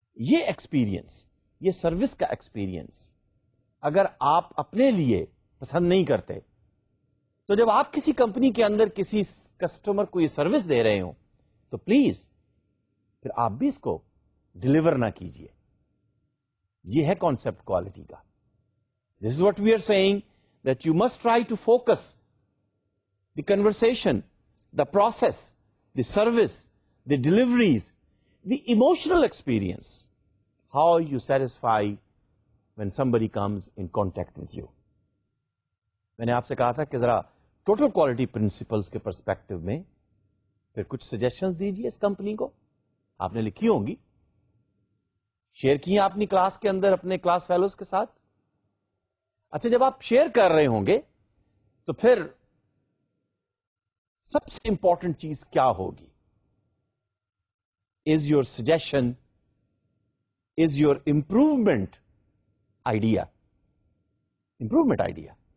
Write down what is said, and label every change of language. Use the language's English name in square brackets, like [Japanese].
[Urdu] یہ ایکسپیرینس, یہ سروس کا ایکسپیرینس اگر آپ اپنے لیے پسند نہیں کرتے, تو جب آپ کسی کمپنی کے اندر کسی کسٹمر کو یہ سروس دے رہے ہوں تو پلیز پھر آپ بھی اس کو ڈلیور نہ کیجئے. یہ ہے کانسیپٹ کوالٹی کا. [English] This is what we are seeing that you must try to focus the conversation, the process, the service, the deliveries, the emotional experience, how you satisfy when somebody comes in contact with you. [Urdu] میں نے آپ سے کہا تھا کہ ذرا total quality principles کے perspective میں پھر کچھ سجیشنز دیجئے اس کمپنی کو. آپ نے لکھی ہوں گی, شیئر کی ہیں اپنی کلاس کے اندر اپنے کلاس فیلوز کے ساتھ. اچھا, جب آپ شیئر کر رہے ہوں گے تو پھر سب سے امپورٹنٹ چیز کیا ہوگی؟ [English] is your suggestion, is your improvement idea, [Urdu] improvement idea.